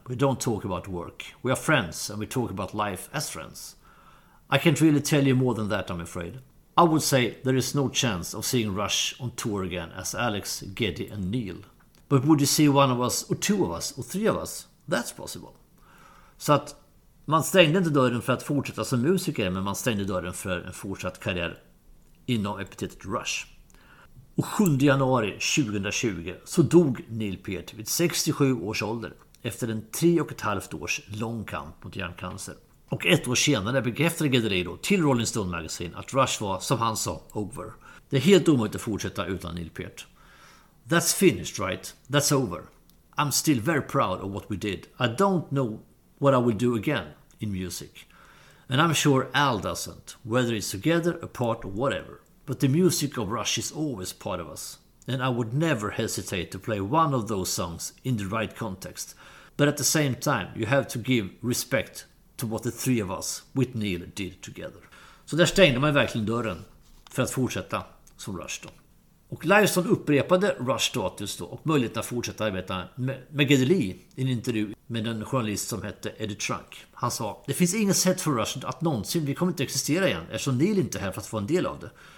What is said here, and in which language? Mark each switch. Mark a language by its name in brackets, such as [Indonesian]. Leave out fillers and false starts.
[English] We don't talk about work. We are friends and we talk about life as friends. I can't really tell you more than that, I'm afraid. I would say there is no chance of seeing Rush on tour again as Alex, Geddy and Neil. But would you see one of us, or two of us, or three of us? That's possible. [Swedish] So that man stängde inte dörren för att fortsätta som musiker, men man stängde dörren för en fortsatt karriär inom epitetet Rush. Och 7 januari 2020 så dog Neil Peart vid 67 års ålder efter en 3,5 års lång kamp mot hjärncancer. Och ett år senare bekräftade Gedrej då till Rolling Stone Magazine att Rush var, som han sa, over. Det är helt omöjligt att fortsätta utan Neil Peart. [English] That's finished, right? That's over. I'm still very proud of what we did. I don't know what I will do again in music. And I'm sure Al doesn't, whether it's together, apart or whatever. But the music of Rush is always part of us. And I would never hesitate to play one of those songs in the right context. But at the same time, you have to give respect to what the three of us with Neil did together. [Swedish] Så där stängde man verkligen dörren för att fortsätta som Rush då. Och Liveson upprepade Rush-status då och möjligheten att fortsätta arbeta med Geddy Lee i en intervju med en journalist som hette Eddie Trunk. Han sa, det finns inget sätt för Rush att någonsin, vi kommer inte existera igen eftersom Neil inte är här för att få en del av det.